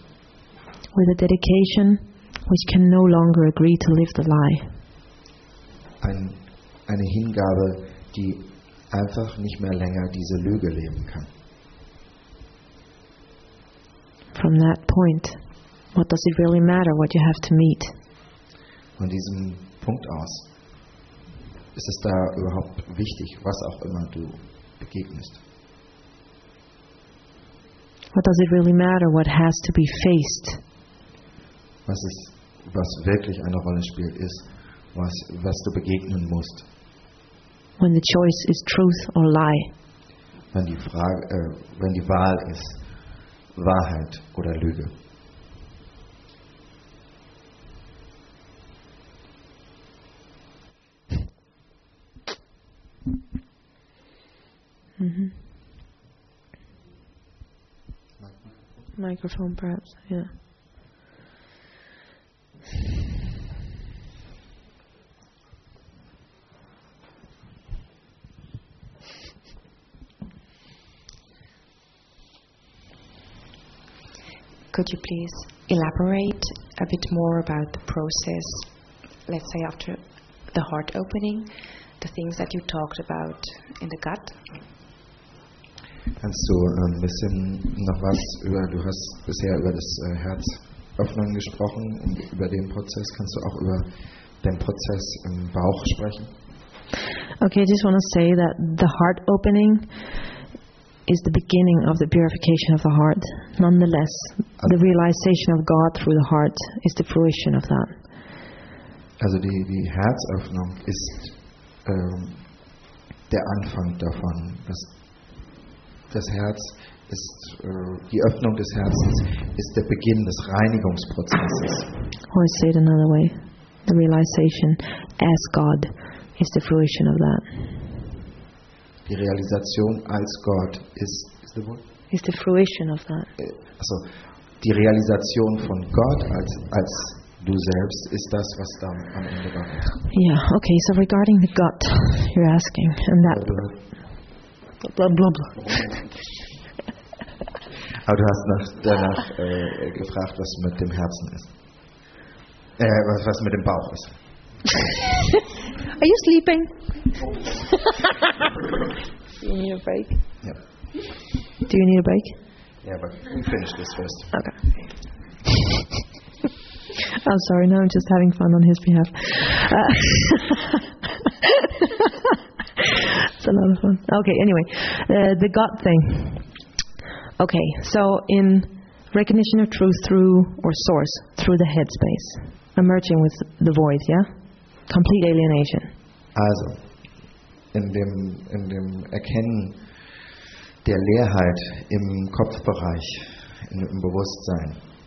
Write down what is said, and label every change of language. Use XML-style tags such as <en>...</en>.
<en>With a dedication which can no longer agree to live the lie.</en> <de>Eine Hingabe, die einfach nicht mehr länger diese Lüge leben kann.</de> <en>From that point, what does it really matter what you have to meet?</en> <de>Von diesem Punkt aus, ist es da überhaupt wichtig, was auch immer du begegnest?</de> <en>What does it really matter what has to be faced?</en> <de>Was wirklich eine Rolle spielt, ist, was du begegnen musst.</de> <en>When the choice is truth or lie.</en> <de>Wenn die Wahl ist, Wahrheit oder Lüge.</de> <en>Mm-hmm. Microphone, perhaps, yeah. Could you please elaborate a bit more about the process, let's say after the heart opening, the things that you talked about in the gut?</en> <de>Kannst du ein bisschen noch was über, du hast bisher über das Herzöffnen gesprochen, und über den Prozess, kannst du auch über den Prozess im Bauch sprechen?</de> <en>Okay, I just want to say that the heart opening is the beginning of the purification of the heart. Nonetheless, the realization of God through the heart is the fruition of that.</en> <de>Also die Herzöffnung ist der Anfang davon. Das Herz ist die Öffnung des Herzens ist der Beginn des Reinigungsprozesses.</de> <en>Or say it another way, the realization as God is the fruition of that.</en> <de>Die Realisation als Gott ist</de> <en>the word? Is the fruition of that.</en> <de>Also die Realisation von Gott als du selbst ist das, was dann am Ende da ist.</de> <en>Yeah, okay, so regarding the gut, you're asking, and that blah, blah, blah, blah.</en> <de>Aber du hast danach gefragt, was mit dem Herzen ist. Was mit dem Bauch ist.</de> <en>Are you sleeping? You need a break? Yeah. Do you need a break? Yeah, but we finish this first. Okay. I'm sorry, no, I'm just having fun on his behalf. It's a lot of fun. Okay, anyway, the God thing. Okay, so in recognition of truth through, or source, through the headspace, emerging with the void, yeah? Complete alienation.</en> <de>Also, in dem Erkennen der Leerheit im Kopfbereich, im Bewusstsein.</de>